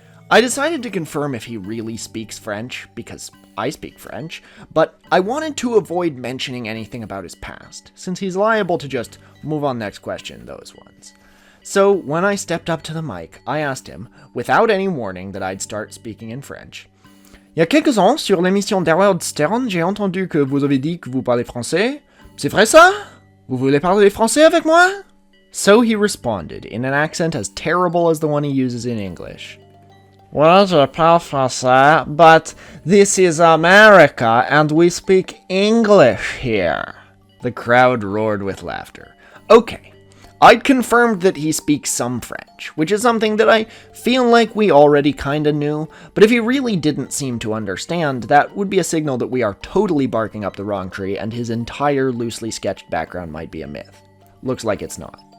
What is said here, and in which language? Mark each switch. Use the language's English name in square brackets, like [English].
[English] I decided to confirm if he really speaks French, because I speak French, but I wanted to avoid mentioning anything about his past, since he's liable to just move on, next question, those ones. So when I stepped up to the mic, I asked him, without any warning, that I'd start speaking in French. [French] Il y a quelques ans, sur l'émission d'Howard Stern, j'ai entendu que vous avez dit que vous parlez français. C'est vrai ça? Vous voulez parler français avec moi? [English] So he responded, in an accent as terrible as the one he uses in English. Well, [French] je parle français, [English] but this is America, and we speak English here. The crowd roared with laughter. Okay. I'd confirmed that he speaks some French, which is something that I feel like we already kinda knew, but if he really didn't seem to understand, that would be a signal that we are totally barking up the wrong tree and his entire loosely sketched background might be a myth. Looks like it's not.